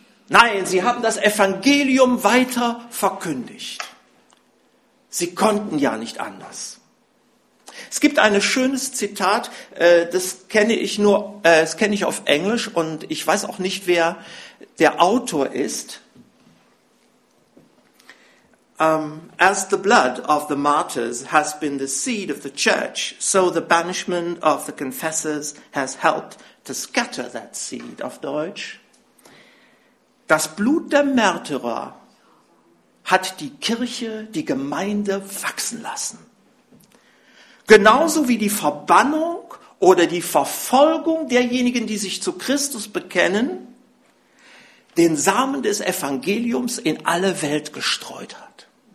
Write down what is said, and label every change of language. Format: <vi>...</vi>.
<de>Nein, sie haben das Evangelium weiter verkündigt. Sie konnten ja nicht anders. Es gibt ein schönes Zitat, das kenne ich nur, das kenne ich auf Englisch, und ich weiß auch nicht, wer der Autor ist.</de> <en>As the blood of the martyrs has been the seed of the church, so the banishment of the confessors has helped to scatter that seed,</en> <de>auf Deutsch. Das Blut der Märtyrer hat die Kirche, die Gemeinde wachsen lassen. Genauso wie die Verbannung oder die Verfolgung derjenigen, die sich zu Christus bekennen, den Samen des Evangeliums in alle Welt gestreut hat.</de>